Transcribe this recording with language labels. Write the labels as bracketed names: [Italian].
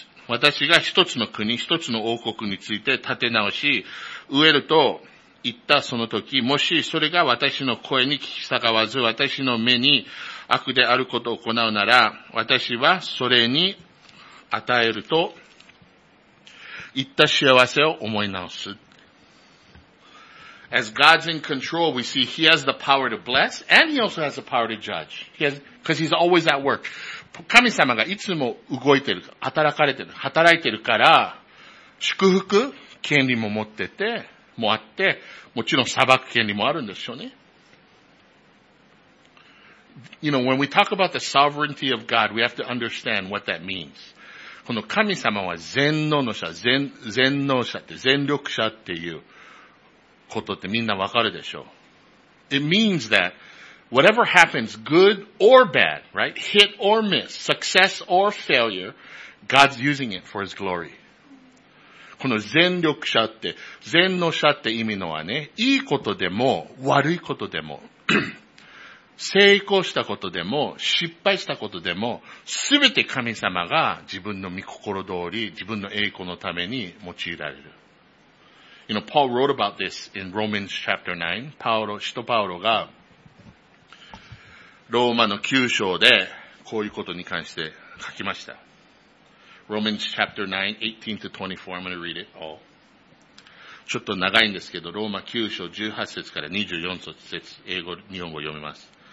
[Japanese] 私が一つの国、一つの王国について立て直し、植えると言ったその時、もしそれが私の声に聞き従わず、私の目に悪であることを行うなら、私はそれに与えると言った幸せを思い直す。 [English] As God's in control, we see He has the power to bless, and He also has the power to judge. He has, because He's always at work. [Japanese] 神様がいつも動いてる、働かれてる、働いてるから、祝福、権利も持ってて、もあって、もちろん裁く権利もあるんでしょうね。 [English] You know, when we talk about the sovereignty of God, we have to understand what that means. [Japanese] この神様は全能の者、全能者って、全力者っていう、ことってみんなわかるでしょう。 [English] It means that whatever happens, good or bad, right? Hit or miss, success or failure, God's using it for His glory. [Japanese] この全力者って、全能者って意味のはね、いいことでも、悪いことでも、成功したことでも、失敗したことでも、すべて神様が自分の御心通り、自分の栄光のために用いられる。 [English] You know, Paul wrote about this in Romans chapter 9. [Japanese] パウロがローマの9章でこういうことに関して書きました。 [English] Romans chapter 9, 18 to 24. I'm going to read it all. [Japanese] ちょっと長いんですけど、ローマ9章18節から24節、英語、日本語読みます。